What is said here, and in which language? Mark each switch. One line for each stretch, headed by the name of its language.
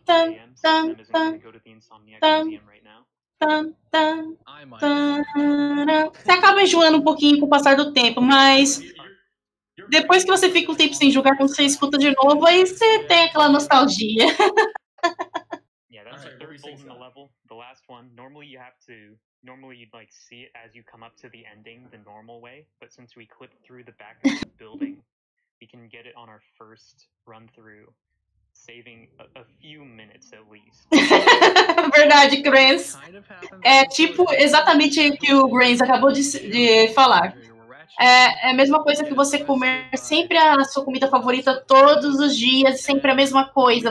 Portuguese: Tan, tan, tan, tan. Você acaba enjoando um pouquinho com o passar do tempo, mas depois que você fica um tempo sem jogar, quando você escuta de novo, aí você tem aquela nostalgia.
English: Yeah, that's the third boss in the level, the last one. Normally you'd like see it as you come up to the ending the normal way, but since we clipped through the back of the building, we can get it on our first run through, saving a few minutes at least.
Portuguese: Verdade, Grans. É tipo exatamente o que o Grans acabou de falar. É a mesma coisa que você comer sempre a sua comida favorita todos os dias, sempre a mesma coisa.